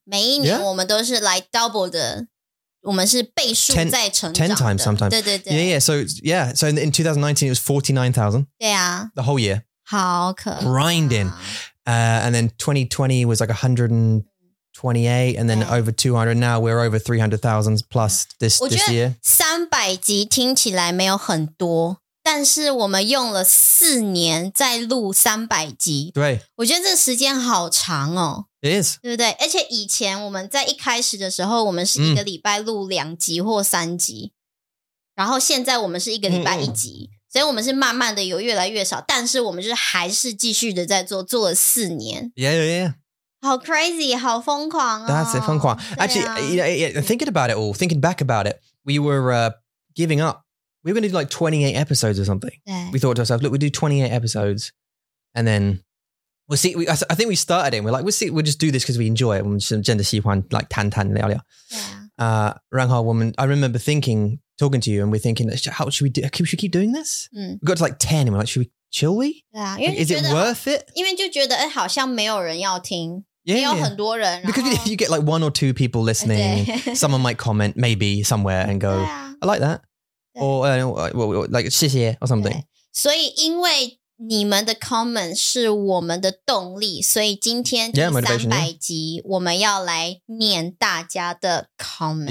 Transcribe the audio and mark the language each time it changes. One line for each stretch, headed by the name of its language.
Chinese: 每一年我们都是
English: like double
Chinese: 的。我们是倍数在成长的
English: ten times sometimes
Chinese: 对对对
English: yeah yeah so yeah so in 2019 it was 49,000
Chinese: 对啊
English: the whole year
Chinese: 好可怕
English: grinding and then 2020 was like 128 and then over 200 now we're over 300,000 plus this year
Chinese: 300集听起来没有很多但是我们用了四年在录300集对我觉得这时间好长哦
English: It is
Chinese: 对不对而且以前我们在一开始的时候我们是一个礼拜录两集或三集、嗯、然后现在我们是一个礼拜一集、嗯、所以我们是慢慢的有越来越少但是我们就还是继续的在做了四年
English: Yeah, yeah, yeah
Chinese: 好 crazy, 好疯狂哦
English: That's it, 疯狂 Actually, yeah, yeah, thinking about it all, thinking back about it, we were giving upWe were going to do like 28 episodes or something. We thought to ourselves, look, we'll do 28 episodes and then we'll see. I think we started it and we're like, we'll see. We'll just do this because we enjoy it. We're just
Chinese: 真的喜欢
English: like
Chinese: 谈谈聊聊。然后我们,
English: I remember thinking, talking to you and we're thinking, how should we do? Should we keep doing this? We got to like 10 and we're like, shall we? Yeah, like, is it worth it?
Chinese: 因为就觉得好像没有人要听。
English: Yeah,
Chinese: 没有很多人
English: because you get like one or two people listening. Someone might comment maybe somewhere and go, I like that. Or like, 谢谢 or something.
Chinese: 所以因为你们的 comment 是我们的动力所以今天就是300集我们要来念大家的 comment.